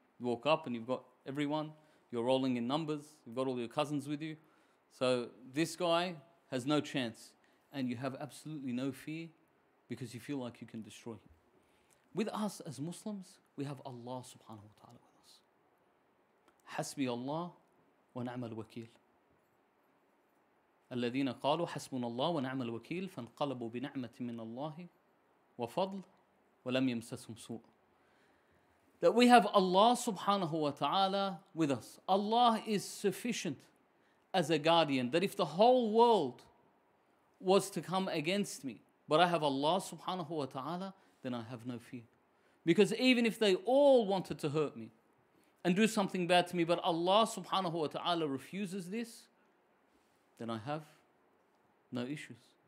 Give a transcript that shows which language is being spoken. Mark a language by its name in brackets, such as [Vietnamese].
[English] You walk up and you've got everyone, you're rolling in numbers, you've got all your cousins with you. So this guy has no chance, and you have absolutely no fear because you feel like you can destroy him. With us as Muslims, we have Allah subhanahu wa ta'ala with us. [Arabic] Hasbi Allah wa ni'ma al-wakeel. الذين قالوا حسبنا الله ونعم الوكيل فانقلبوا بنعمة من الله وفضل ولم يمسسهم سوء. [English] That we have Allah subhanahu wa ta'ala with us. Allah is sufficient as a guardian. That if the whole world was to come against me, but I have Allah subhanahu wa ta'ala, then I have no fear. Because even if they all wanted to hurt me and do something bad to me, but Allah subhanahu wa ta'ala refuses this, then I have no issues.